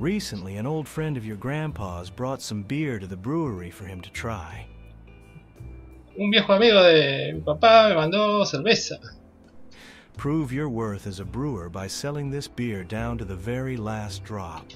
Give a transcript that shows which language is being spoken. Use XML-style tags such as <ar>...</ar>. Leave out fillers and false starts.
<en>Recently, an old friend of your grandpa's brought some beer to the brewery for him to try.</en> <es>Un viejo amigo de mi papá me mandó cerveza.</es> <en>Prove your worth as a brewer by selling this beer down to the very last drop.</en>